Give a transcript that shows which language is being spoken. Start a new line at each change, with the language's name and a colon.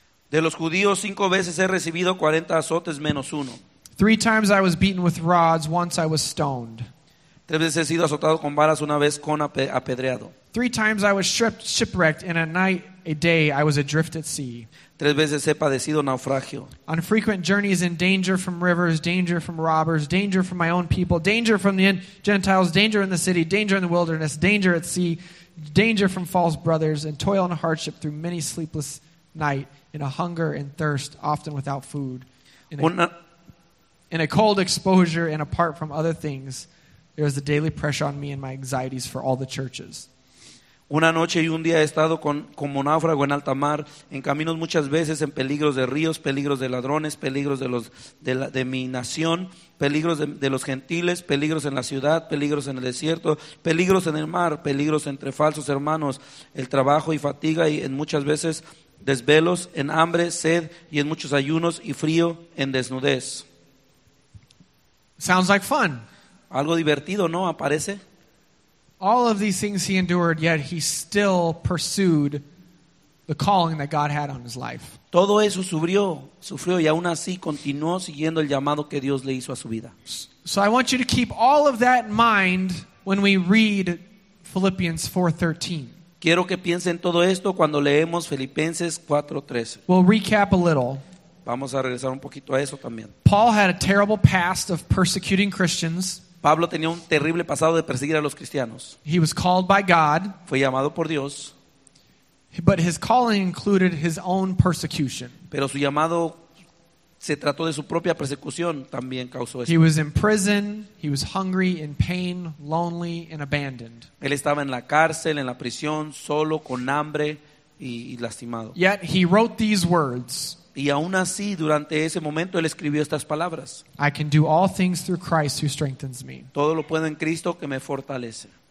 Spanish: De los judíos 5 veces he recibido 40 azotes menos uno.
English: 3 times I was beaten with rods, once I was stoned.
Spanish: 3 veces he sido azotado con varas, una vez con apedreado.
English: 3 times I was shipwrecked, and at night, a day, I was adrift at sea.
Spanish: 3 veces he padecido naufragio.
English: On frequent journeys in danger from rivers, danger from robbers, danger from my own people, danger from the Gentiles, danger in the city, danger in the wilderness, danger at sea, danger from false brothers, and toil and hardship through many sleepless night, in a hunger and thirst, often without food, in a cold exposure, and apart from other things, there is a daily pressure on me and my anxieties for all the churches.
Spanish: Una noche y un día he estado como náufrago en alta mar, en caminos muchas veces, en peligros de ríos, peligros de ladrones, peligros de mi nación, peligros de los gentiles, peligros en la ciudad, peligros en el desierto, peligros en el mar, peligros entre falsos hermanos, el trabajo y fatiga y en muchas veces desvelos, en hambre, sed y en muchos ayunos y frío, en desnudez.
English: Sounds like fun.
Spanish: Algo divertido, ¿no? Aparece.
English: All of these things he endured, yet he still pursued the calling that God had on his life.
Spanish: Todo eso sufrió y aún así continuó siguiendo el llamado que Dios le hizo a su vida.
English: So I want you to keep all of that in mind when we read Philippians 4:13.
Spanish: Quiero que piensen todo esto cuando leemos Filipenses 4:13.
English: We'll recap a little.
Spanish: Vamos a regresar un poquito a eso también.
English: Paul had a terrible past of persecuting Christians.
Spanish: Pablo tenía un terrible pasado de perseguir a los cristianos.
English: He was called by God.
Spanish: Fue llamado por Dios.
English: But his calling included his own persecution.
Spanish: Pero su llamado se trató de su propia persecución, también causó eso.
English: He was in prison, he was hungry, in pain, lonely and abandoned.
Spanish: Él estaba en la cárcel, en la prisión, solo, con hambre y lastimado.
English: Yet he wrote these words.
Spanish: Y aún así, durante ese momento, él escribió estas palabras.
English: I can do all things through Christ who strengthens me.
Spanish: Todo lo puedo en Cristo que me fortalece.